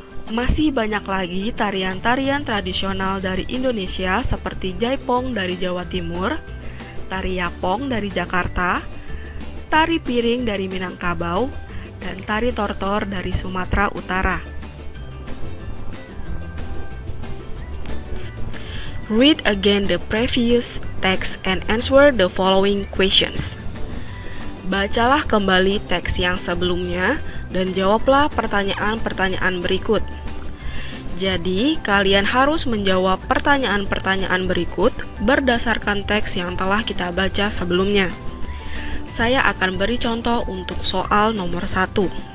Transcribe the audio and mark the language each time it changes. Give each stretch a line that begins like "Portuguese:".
Indonesian: Masih banyak lagi tarian-tarian tradisional dari Indonesia seperti Jaipong dari Jawa Timur, Tari Yapong dari Jakarta, Tari Piring dari Minangkabau, dan Tari Tortor dari Sumatera Utara.
English: Read again the previous text and answer the following questions.
Indonesian: Bacalah kembali teks yang sebelumnya dan jawablah pertanyaan-pertanyaan berikut. Jadi, kalian harus menjawab pertanyaan-pertanyaan berikut berdasarkan teks yang telah kita baca sebelumnya. Saya akan beri contoh untuk soal nomor 1.